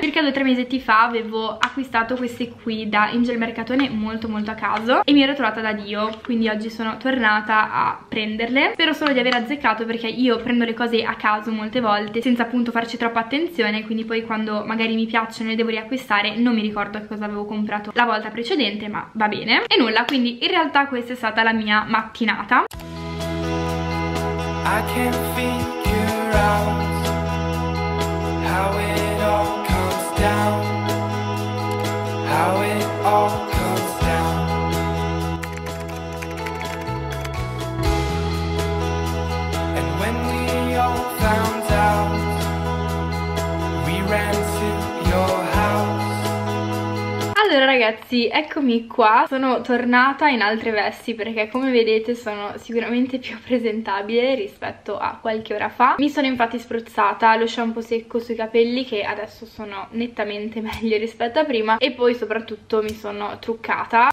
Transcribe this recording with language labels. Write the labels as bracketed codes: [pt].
[it] Circa 2-3 mesetti fa avevo acquistato queste qui da Angel Mercatone molto a caso e mi ero trovata da Dio, quindi oggi sono tornata a prenderle. Spero solo di aver azzeccato, perché io prendo le cose a caso molte volte senza appunto farci troppa attenzione, quindi poi quando magari mi piacciono e devo riacquistare non mi ricordo che cosa avevo comprato la volta precedente, ma va bene. E nulla, quindi in realtà questa è stata la mia mattinata. [en] I can't figure out how it all comes down, how it all comes down. And when we all found out, we ran to your house. [it] Allora, ragazzi, eccomi qua. Sono tornata in altre vesti perché, come vedete, sono sicuramente più presentabile rispetto a qualche ora fa. Mi sono infatti spruzzata lo shampoo secco sui capelli, che adesso sono nettamente meglio rispetto a prima, e poi soprattutto mi sono truccata.